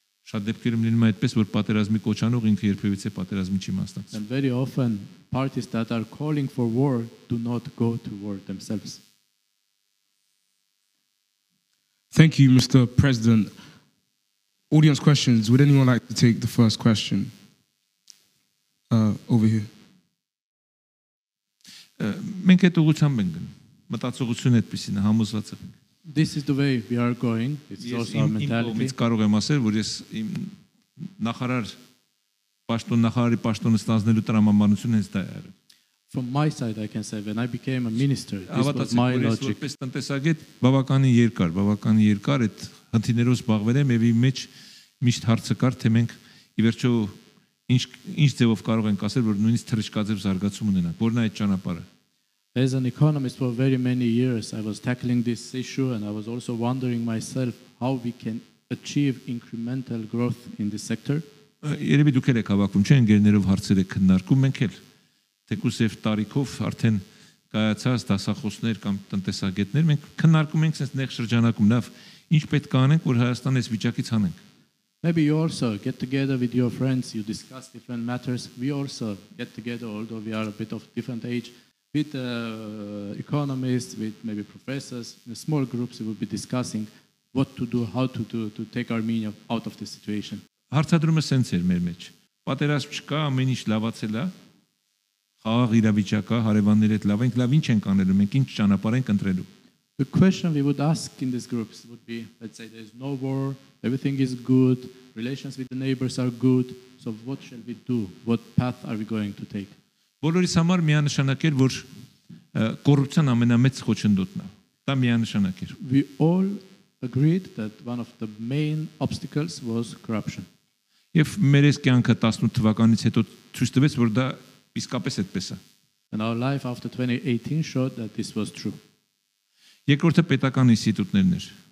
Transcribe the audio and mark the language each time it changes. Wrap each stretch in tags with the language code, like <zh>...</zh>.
<hy>Շատ դեպքերում լինում է այդպես, որ պատերազմի կոչանող ինքը երբևիցե պատերազմի չի մասնակցում.</hy> <en>And very often parties that are calling for war do not go to war themselves. Thank you, Mr. President. Audience questions. Would anyone like to take the first question? Over here.</en> <hy>Մենք այդ ուղությամբ ենք գնում։ Մտածողություն այդպեսին է, համոզված եմ։</hy> <en>This is the way we are going. It's also our mentality.</en> <hy>Ես ինքս կարող եմ ասել, որ ես իմ նախարար պաշտոն նախարարի պաշտոնը ստանձնելու տրամաբանությունը հենց դա է արել։</hy> <en>From my side I can say when I became a minister, this was my logic.</en> <hy>Որպես տնտեսագետ բավականին երկար այդ հնդիներով զբաղվել եմ եւ իմ մեջ միշտ հարցը կար, թե մենք ի վերջո ինչ ձևով կարող ենք ասել, որ նույնիսկ թրիշկաձև զարգացում ունենանք, որն է այդ ճանապարհը.</hy> <en>As an economist for very many years I was tackling this issue and I was also wondering myself how we can achieve incremental growth in this sector.</en> <hy>Երևի դուք եք հավաքում, չէ՞, ընկերներով հարցեր եք քննարկում, մենք էլ Տեկուսև տարիքով արդեն կայացած դասախոսներ կամ տնտեսագետներ մենք քննարկում ենք այս նեղ շրջանակում լավ ինչ պետք է անենք որ Հայաստանը այս վիճակից հանենք</hy> <en>Maybe you also get together with your friends you discuss different matters we also get together although we are a bit of different age with economists with maybe professors in small groups we will be discussing what to do how to take Armenia out of this situation</en> <hy>Հարցադրումը սենց էր մեր մեջ պատերազմ չկա ամեն ինչ լավացել է Խաղաղ իրավիճակը հարևանների հետ լավ ենք, լավ ինչ ենք անելու, մենք ինչ ճանապարհ ենք ընտրելու։</hy> <en>The question we would ask in these groups would be, let's say there's no war, everything is good, relations with the neighbors are good, so what shall we do? What path are we going to take?</en> <hy>Բոլորիս համար միանշանակ էր, որ կոռուպցիան ամենամեծ խոչընդոտն է։ Դա միանշանակ էր։</hy> <en>We all agreed that one of the main obstacles was corruption.</en> <hy>Եվ մեր այս կյանքը 18 թվականից հետո ցույց տվեց, որ դա Իսկապես այդպես է։</hy> <en>And our life after 2018 showed that this was true.</en> <hy>Երկրորդը պետական ինստիտուտներն էր։</hy>